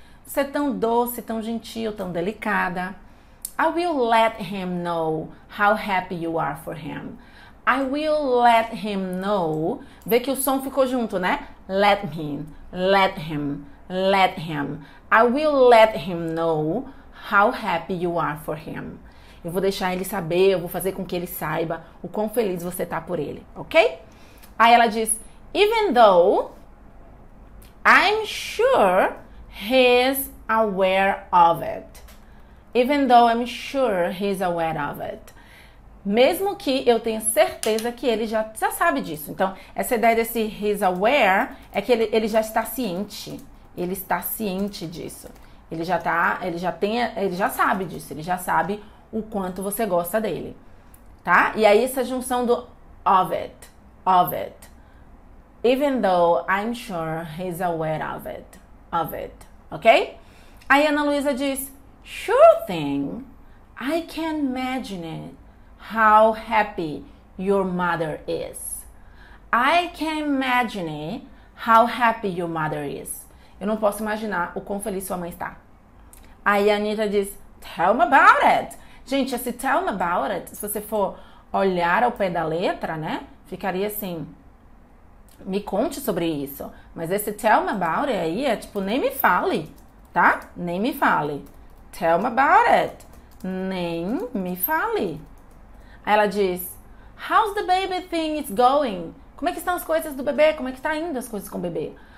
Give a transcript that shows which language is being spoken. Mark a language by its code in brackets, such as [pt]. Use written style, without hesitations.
[pt] Você é tão doce, tão gentil, tão delicada. [en] I will let him know how happy you are for him. I will let him know. [pt] Vê que o som ficou junto, né? [en] Let him, let him, let him. I will let him know how happy you are for him. [pt] Eu vou deixar ele saber, eu vou fazer com que ele saiba o quão feliz você tá por ele, ok? Aí ela diz: [en] Even though I'm sure he's aware of it. Even though I'm sure he's aware of it. [pt] Mesmo que eu tenha certeza que ele já sabe disso. Então, essa ideia desse [en] he's aware [pt] é que ele já está ciente. Ele está ciente disso. Ele já sabe disso. Ele já sabe o quanto você gosta dele. Tá? E aí essa junção do [en] of it, of it. Even though I'm sure he's aware of it, ok? [pt] Aí Ana Luísa diz: [en] Sure thing, I can imagine it, how happy your mother is. I can imagine how happy your mother is. [pt] Eu não posso imaginar o quão feliz sua mãe está. Aí a Anitta diz: [en] Tell me about it. [pt] Gente, esse [en] tell me about it, [pt] se você for olhar ao pé da letra, né? Ficaria assim. Me conte sobre isso. Mas esse [en] tell me about it [pt] aí é tipo, nem me fale, tá? Nem me fale. [en] Tell me about it. [pt] Nem me fale. Aí ela diz: [en] How's the baby thing is going? [pt] Como é que estão as coisas do bebê? Como é que tá indo as coisas com o bebê?